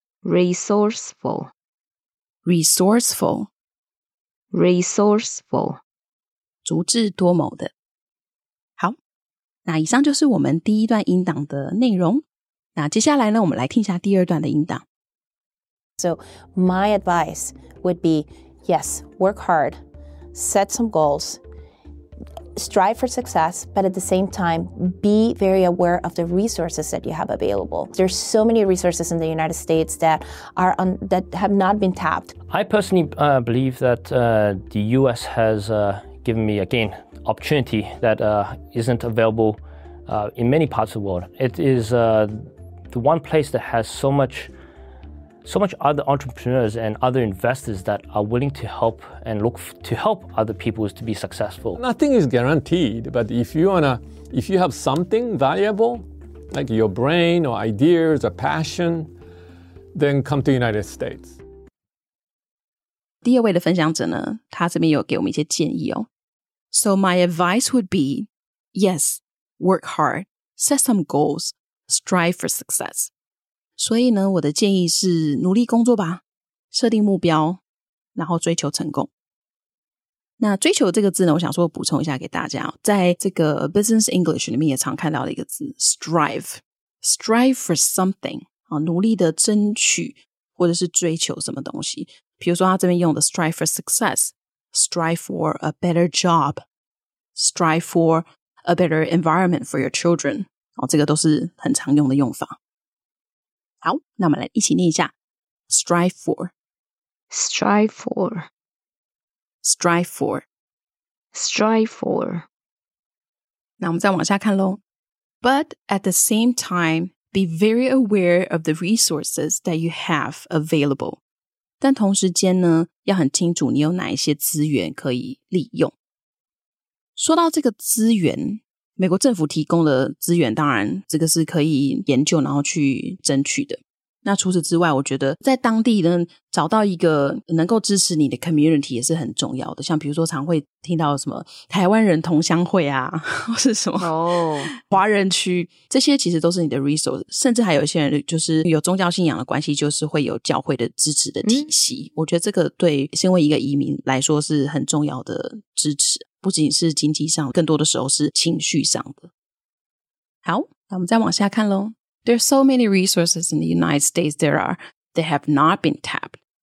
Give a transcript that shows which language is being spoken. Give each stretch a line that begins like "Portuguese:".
English: resourceful resourceful resourceful，
Chinese: 足智多谋的。好，那以上就是我们第一段音档的内容。那接下来呢，我们来听一下第二段的音档。
English: So my advice would be, yes, work hard, set some goals, strive for success, but at the same time, be very aware of the resources that you have available. There's so many resources in the United States that have not been tapped. I personally believe that the U.S. has given me, again, opportunity that isn't available in many parts of the world. It is the one place that has so much other entrepreneurs and other investors that are willing to help and look to help other people to be successful. Nothing is guaranteed, but if you have something valuable, like your brain or ideas or passion, then come to the United States.
Chinese: 第二位的分享者呢，他这边有给我们一些建议哦。
English: So my advice would be, yes, work hard, set some goals, strive for success.
Chinese: 所以呢，我的建议是努力工作吧，设定目标，然后追求成功。那追求这个字呢，我想说补充一下给大家，在这个 Business English 里面也常看到的一个字 strive。
English: Strive for something,
Chinese: 努力的争取或者是追求什么东西。比如说他这边用的
English: strive for success, strive for a better job, strive for a better environment for your children,
Chinese: 这个都是很常用的用法。好，那我们来一起念一下
English: strive for, strive for, strive for, strive for.
Chinese: 那我们再往下看咯。 But at the same time, be very aware of the resources that you have available. 但同时间呢，要很清楚你有哪一些资源可以利用。说到这个资源，美国政府提供的资源，当然这个是可以研究然后去争取的。那除此之外，我觉得在当地呢，找到一个能够支持你的 community 也是很重要的。像比如说常会听到什么台湾人同乡会啊，或是什么华人区，这些其实都是你的 resource。甚至还有一些人就是有宗教信仰的关系，就是会有教会的支持的体系。我觉得这个对身为一个移民来说是很重要的支持，不仅是经济上，更多的时候是情绪上的。好，那我们再往下看咯。
English: There are so many resources in the United States there are that have not been tapped.